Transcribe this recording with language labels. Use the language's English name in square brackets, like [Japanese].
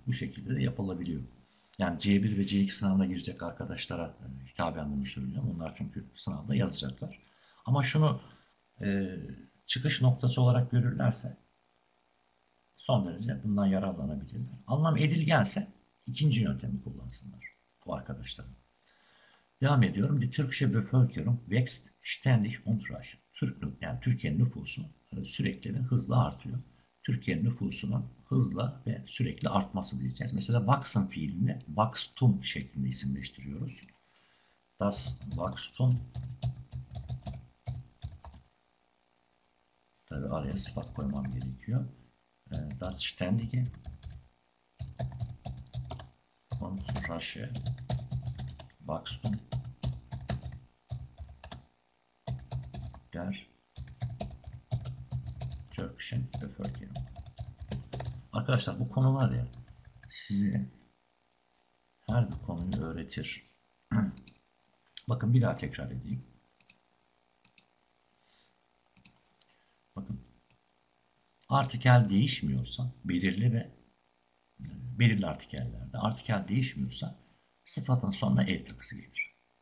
[Turkish] Bu şekilde de yapılabiliyor. Yani C1 ve C2 sınavına girecek arkadaşlara hitaben bunu söylüyorum. Onlar çünkü sınavda yazacaklar. Ama şunu çıkış noktası olarak görürlerse son derece bundan yararlanabilirler. Anlam edilgense ikinci yöntemi kullansınlar bu arkadaşlar. Devam ediyorum. [German] Die türkische Bevölkerung wächst ständig und rasch. [Turkish] Yani Türkiye'nin nüfusu sürekli ve hızla artıyor. Türkiye'nin nüfusunun hızla ve sürekli artması diyeceğiz. Mesela wachsen fiilini wachstum şeklinde isimleştiriyoruz. [German] Das wachstum. [Turkish] Tabi araya sıfat koymam gerekiyor. [German] Das ständige und rasche wachstum der Türkischen Bevölkerung. [Turkish] Arkadaşlar bu konu var ya, size her bir konuyu öğretir. Bakın bir daha tekrar edeyim. Artikel değişmiyorsa belirli ve belirli artikellerde artikel değişmiyorsa sıfatın sonuna e tırısı gelir.